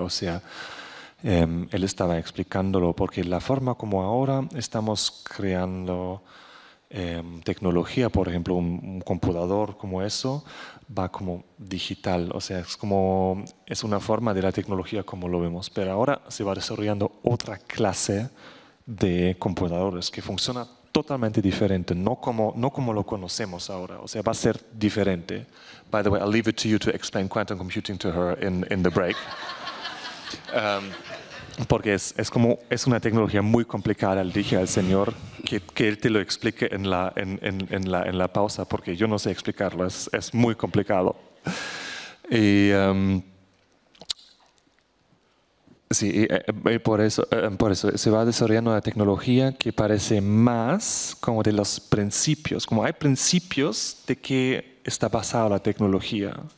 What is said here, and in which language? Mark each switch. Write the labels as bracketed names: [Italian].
[Spanish] O sea, él estaba explicándolo, porque la forma como ahora estamos creando tecnología, por ejemplo, un computador como eso, va como digital, o sea, es una forma de la tecnología como lo vemos, pero ahora se va desarrollando otra clase de computadores que funciona totalmente diferente, no como lo conocemos ahora, o sea, va a ser diferente. [English] By the way, I'll leave it to you to explain quantum computing to her in the break. [Spanish] Porque es una tecnología muy complicada, le dije al señor que él te lo explique en la pausa, porque yo no sé explicarlo, es muy complicado. Y sí, y por eso se va desarrollando una tecnología que parece más como de los principios, como hay principios de que está basada la tecnología.